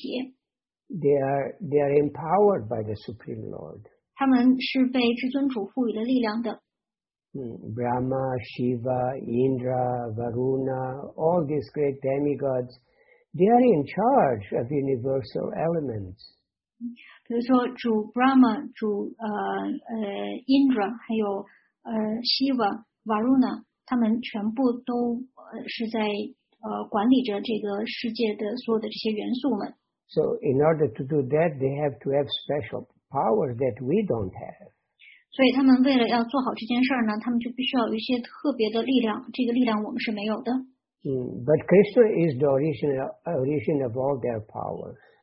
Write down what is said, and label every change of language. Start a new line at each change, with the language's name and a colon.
Chinese: 但是呢，我们必须要了解其中的一件事情，就是管理这个宇宙的这些生物体们，他们其实并不是像我们这样的普通的生物体。
English: They are empowered by the Supreme Lord.
Chinese: 他们是被至尊主赋予了力量的。
English: Brahma, Shiva, Indra, Varuna, all these great demigods, they are in charge of universal elements.
Chinese: 比如说主 Brahma, 主Indra, 还有Shiva, Varuna, 他们全部都是在管理着这个世界的所有的这些元素们。
English: So in order to do that, they have to have special powers that we don't have.
Chinese: 所以他们为了要做好这件事呢，他们就必须要有一些特别的力量，这个力量我们是没有的。
English: But Krishna is the origin of all their powers.